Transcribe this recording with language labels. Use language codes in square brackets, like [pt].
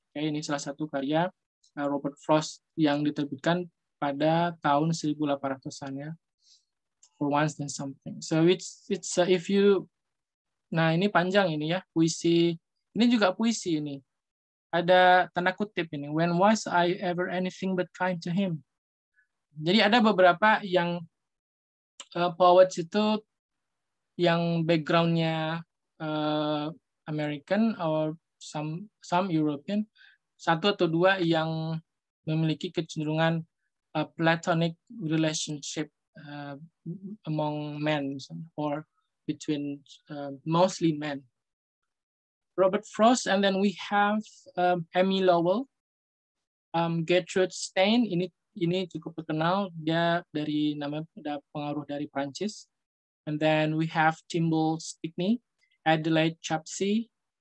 [id] Okay, ini salah satu karya Robert Frost yang diterbitkan pada tahun 1800-an ya. [en] For once and something. So it's if you, [id] nah ini panjang ini ya puisi. Ini juga puisi ini. Ada tanda kutip ini. [en] When was I ever anything but kind to him? [id] Jadi ada beberapa yang poets itu yang background-nya [en] American or some European. [id] Satu atau dua yang memiliki kecenderungan [en] platonic relationship among men or between mostly men. Robert Frost, and then we have Emmy Lowell, Gertrude Stein. [id] Ini cukup terkenal. Dia dari nama ada pengaruh dari Prancis. [en] And then we have Timbal Stickney, Adelaide Chapsey,